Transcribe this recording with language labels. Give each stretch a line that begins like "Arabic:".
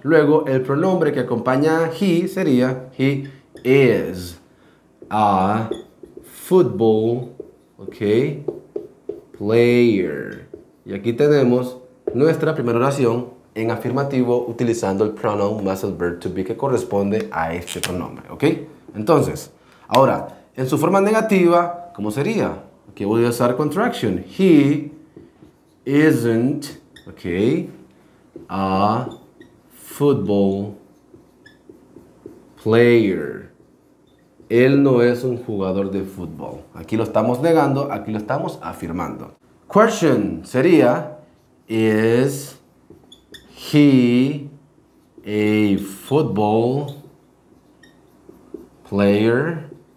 Spanish: Luego el pronombre que acompaña a he sería
English: he is a football, okay, player.
Spanish: Y aquí tenemos nuestra primera oración en afirmativo utilizando el pronoun más el verb to be que corresponde a este pronombre, okay? Entonces, ahora, en su forma negativa, ¿cómo sería? Aquí voy a usar contraction.
English: He isn't, okay, a football player.
Spanish: Él no es un jugador de fútbol. Aquí lo estamos negando, aquí lo estamos afirmando.
English: Question sería, is he a football player?